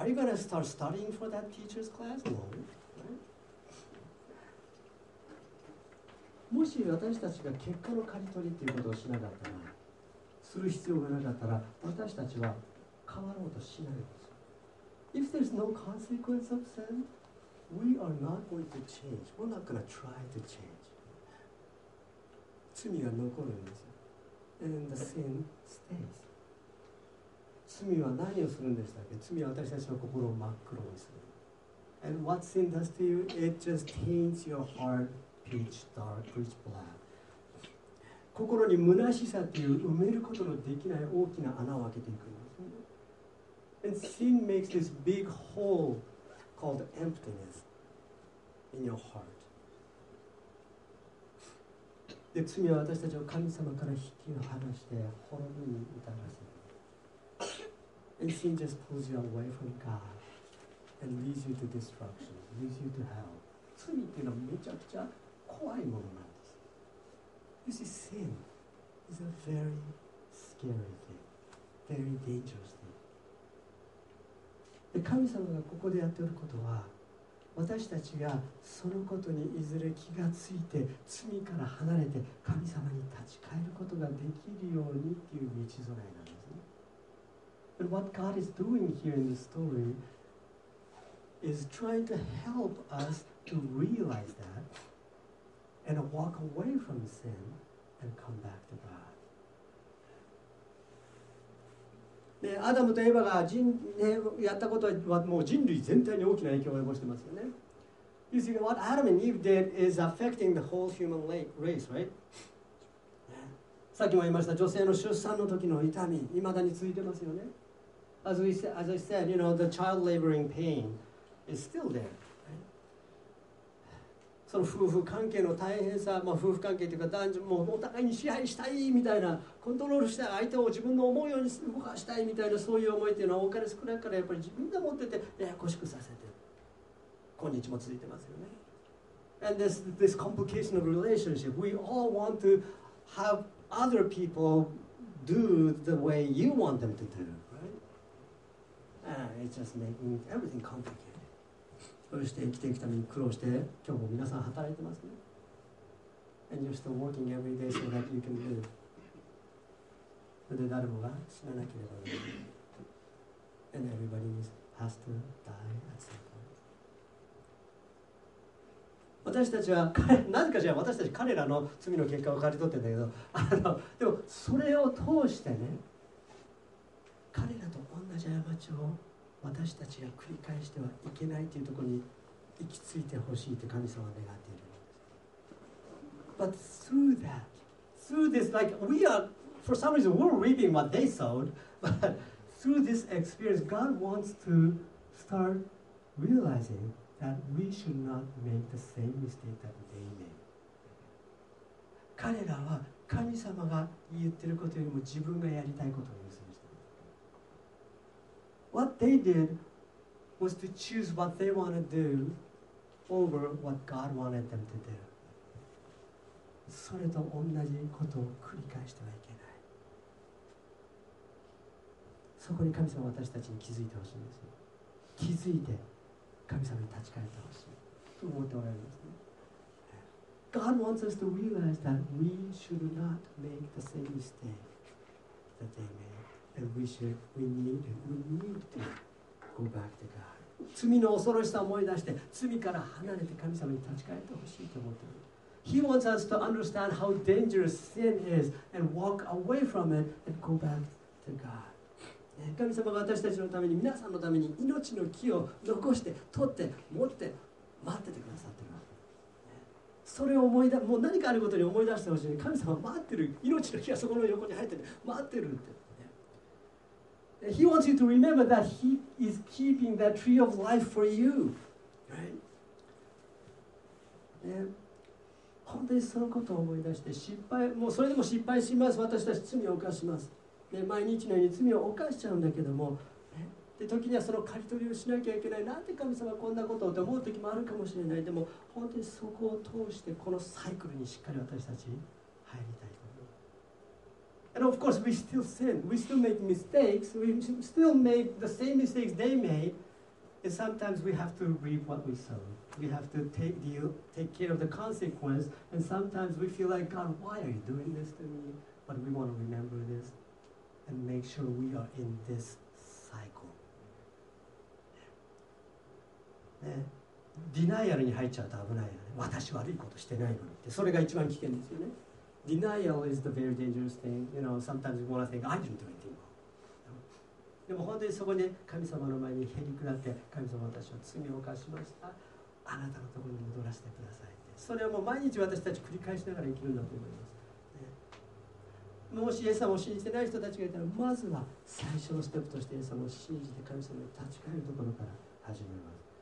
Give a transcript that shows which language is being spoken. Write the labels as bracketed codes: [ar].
[en] Are you going to start studying for that teacher's class? No. [ja] もし私たちが結果の刈り取りということをしなかったら、する必要がなかったら、私たちは変わろうとしないんです。 [en] If there's no consequence of sin, we are not going to change. We're not going to try to change. [ja] 罪は残るんですよ。 [en] And the sin stays. [ja] 罪は何をするんでしたっけ?罪は私たちの心を真っ黒にする。 [en] And what sin does to you? It just taints your heart. Pitch dark, pitch black. [ja] 心に虚しさっていう埋めることのできない大きな穴を開けていくんです。 [en] And sin makes this big hole called emptiness in your heart. [ja] で、罪は私たちを神様から引き離して滅びに至らせる。 [en] And sin just pulls you away from God and leads you to destruction, leads you to hell. [ja] 罪っていうのはめちゃくちゃ怖いものなんです。 [en] You see, sin is a very scary thing, very dangerous thing. [ja] で、神様がここでやっておることは、私たちがそのことにいずれ気がついて罪から離れて神様に立ち返ることができるようにという道備えなんですね。 [en] But what God is doing here in the story is trying to help us to realize that and walk away from sin and come back to God. [ja] でアダムとエヴァが人、ね、やったことはもう人類全体に大きな影響を及ぼしてますよね。 [en] You see, what Adam and Eve did is affecting the whole human race, right? [ja] さっきも言いました、女性の出産の時の痛み、いまだに続いてますよね。 [en] As we said, as I said, you know, the child laboring pain is still there.、Right? [ja] その夫婦関係の大変さ、まあ、夫婦関係というか男女、もうお互いに支配したいみたいな。コントロールしたい相手を自分の思うように動かしたいみたいなそういう思いというのは多かれ少なくからやっぱり自分で持っててややこしくさせて今日も続いてますよね。 [en] And this complication of relationship, we all want to have other people do the way you want them to do, right? And it's just making everything complicated. [ja] そして生きていくために苦労して今日も皆さん働いてますね。 [en] And you're still working every day so that you can live. [ja] で誰もが死ななければならない。 [en] And everybody has to die at some point. [ja] 私たちは、なぜかじゃあ私たち彼らの罪の結果を刈り取ってんだけど、でもそれを通してね、彼らと同じ過ちを私たちが繰り返してはいけないというところに行き着いてほしいと神様は願っているんです。 [en] But through that, through this, like we are,For some reason, we're reaping what they sowed. But through this experience, God wants to start realizing that we should not make the same mistake that they made. [ja] 彼らは神様が言ってることよりも自分がやりたいことを優先した。 [en] What they did was to choose what they want to do over what God wanted them to do. [ja] それと同じことを繰り返してはいけない。そこに神様は私たちに気づいてほしいんですよ。気づいて神様に立ち返ってほしいと思っておられるんですね。 [en] God wants us to realize that we should not make the same mistake that they made, and we need to go back to God. [ja] 罪の恐ろしさを思い出して、罪から離れて神様に立ち返ってほしいと思っている。 [en] He wants us to understand how dangerous sin is and walk away from it and go back to God. [ja] 神様が私たちのために皆さんのために命の木を残して取って持って待っててくださってる。それを思い出もう何かあることに思い出してほしい。神様待ってる。命の木がそこの横に入ってて待ってるって。 [en] He wants you to remember that He is keeping that tree of life for you. Right? [ja] 本当にそのことを思い出して失敗もうそれでも失敗します。私たち罪を犯します。で毎日のように罪を犯しちゃうんだけども、で時にはその刈り取りをしなきゃいけない、なんで神様こんなことをって思う時もあるかもしれない。でも本当にそこを通してこのサイクルにしっかり私たち入りたいと思う。 [en] And of course we still sin, we still make mistakes, we still make the same mistakes they made, and sometimes we have to reap what we sow, we have to take care of the consequence, and sometimes we feel like God, why are you doing this to me? But we want to remember thisAnd make sure we are in this cycle. [ja] ね、ディナイアルに入っちゃうと危ないよね。私悪いことしてないのにって、それが一番危険ですよね。 [en] Denial is the very dangerous thing. You know, sometimes we want to think, I didn't do anything wrong. [ja] でも本当にそこで神様の前にへりくだって、神様私は罪を犯しました。あなたのところに戻らせてくださいって。それはもう毎日私たち繰り返しながら生きるんだと思います。もしイエス様を信じてない人たちがいたら、まずは最初のステップとしてイエス様を信じて神様に立ち返るところから始めます。